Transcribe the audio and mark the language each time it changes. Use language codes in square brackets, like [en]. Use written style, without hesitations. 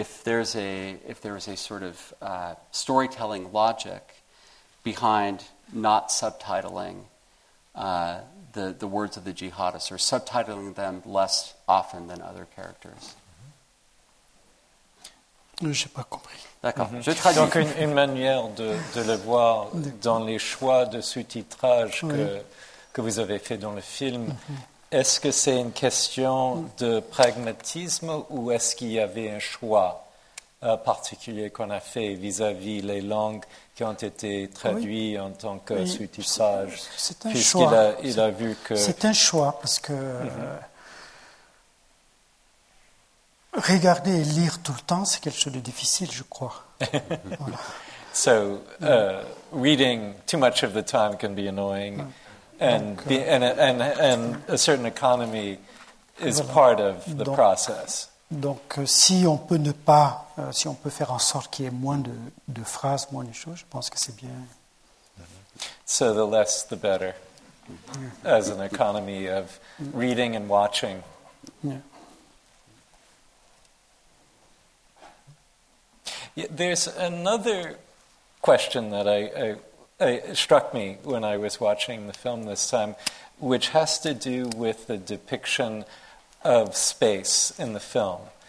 [en] If there's a sort of storytelling logic behind not subtitling the words of the jihadists, or subtitling them less often than other characters. [fr] J'ai pas compris. D'accord. Mm-hmm. Je traduis. Donc une manière de le voir dans les choix de sous-titrage que vous avez fait dans le film. Mm-hmm. Est-ce que c'est une question de pragmatisme ou est-ce qu'il y avait un choix particulier qu'on a fait vis-à-vis les langues qui ont été traduites en tant que sous-titrage? C'est un puisqu'il choix. Puisqu'il a vu que... C'est un choix parce que... regarder et lire tout le temps, c'est quelque chose de difficile, je crois. Voilà. [en] So, reading too much of the time can be annoying. Mm. And, donc, and a certain economy is voilà. part of the donc, process. [fr] Donc, si on peut ne pas, si on peut faire en sorte qu'il y ait moins de phrases, moins de choses, je pense que c'est bien. [en] So the less, the better, mm. as an economy of reading and watching. Yeah. There's another question that I struck me when I was watching the film this time, which has to do with the depiction of space in the film.